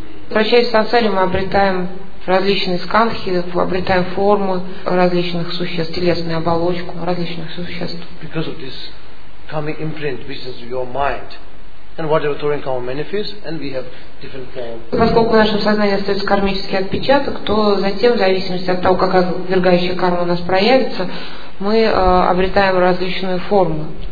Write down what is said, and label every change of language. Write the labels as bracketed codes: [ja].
[ru] Прощаясь с сансарой, мы обретаем различные скандхи, обретаем формы различных существ, телесную оболочку различных существ. [en] Because of this coming imprint which is your mind and whatever throwing karma manifests, and we have different forms. [ru] Поскольку в нашем сознании остается кармический отпечаток, то затем, в зависимости от того, как отвергающая карма у нас проявится, мы обретаем различные формы.